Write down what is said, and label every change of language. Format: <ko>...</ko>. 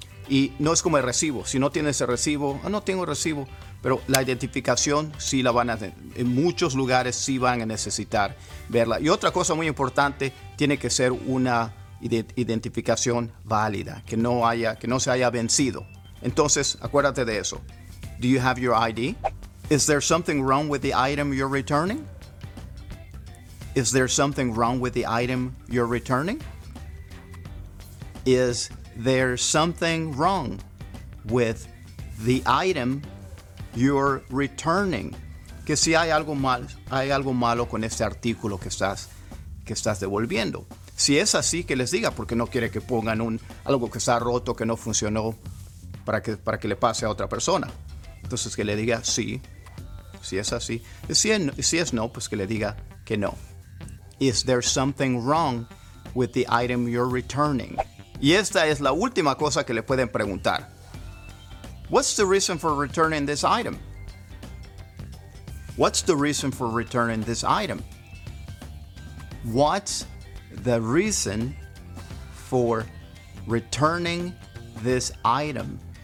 <es>Y no es como el recibo. Si no tienes el recibo, no tengo el recibo. Pero la identificación sí la van a tener. En muchos lugares sí van a necesitar verla. Y otra cosa muy importante, tiene que ser una identificación válida, que no se haya vencido. Entonces, acuérdate de eso.</es> <en>Do you have your ID? Is there something wrong with the item you're returning? Is there something wrong with the item you're returning? Is there something wrong with the item you're returning?</en> <es>Que si hay algo malo con este artículo que estás devolviendo. Si es así, que les diga, porque no quiere que pongan algo que está roto, que no funcionó, para que le pase a otra persona. Entonces, que le diga sí, si es así. Si es no, pues que le diga que no.</es> <en>Is there something wrong with the item you're returning?</en> <es>Y esta es la última cosa que le pueden preguntar.</es> <en>What's the reason for returning this item? What's the reason for returning this item? What's the reason for returning this item?</en>